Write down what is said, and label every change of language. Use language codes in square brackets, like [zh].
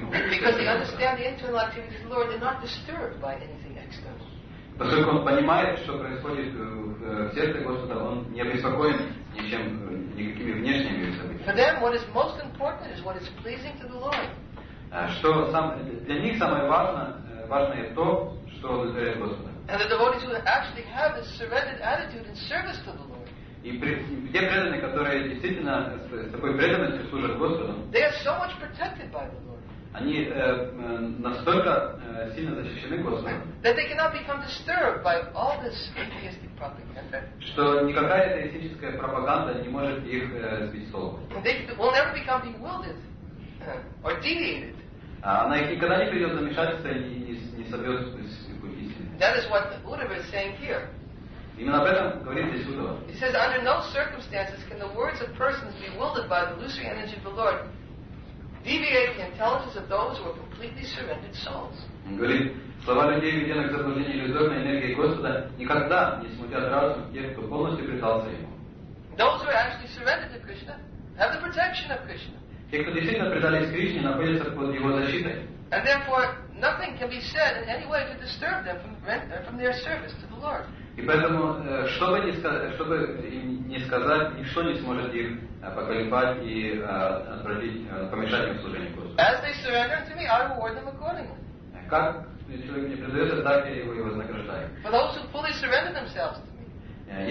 [en] Because they understand the internal activities of the Lord, they're not disturbed by anything external. [ru] Поскольку он понимает, что происходит в сердце Господа, он не обеспокоен ничем, никакими внешними событиями. [en] For them, what is most important is what is pleasing to the Lord. [ru] Что для них самое важное то, что удовлетворяет Господа. [en] And the devotees who actually have this surrendered attitude in service to the Lord. [ru] И те преданные, которые действительно с такой преданностью служат Господу. [en] They are so much protected by the Lord. [ru] Они настолько сильно защищены Господом. [en] That they cannot become disturbed by all this atheistic propaganda. [ru] Что никакая атеистическая пропаганда не может их сбить с толку. [en] They will never become bewildered or deviated. [ru] Она их никогда не придет замешательство и не собьет с. [en] That is what the Uddhava is saying here. [ru] Именно об этом говорит здесь Уддхава. [en] He says, under no circumstances can the words of persons bewildered by the illusory energy of the Lord deviate the intelligence of those who are completely surrendered souls. [ru] Он говорит, слова людей, введенных в заблуждение иллюзорной энергии Господа, никогда не смутят разум тех, кто полностью предался Ему. [en] Those who are actually surrendered to Krishna have the protection of Krishna. [ru] Те, кто действительно предались Кришне, находятся под Его защитой. [en] And therefore, nothing can be said in any way to disturb them from their service to the Lord. [ru] И поэтому, чтобы не сказать, ничто не сможет их поколебать и помешать им служению Господу. [en] As they surrender to me, I reward them accordingly. [ru] Как человек мне предается, так я его и вознаграждаю. [en] For those who fully surrender themselves to me.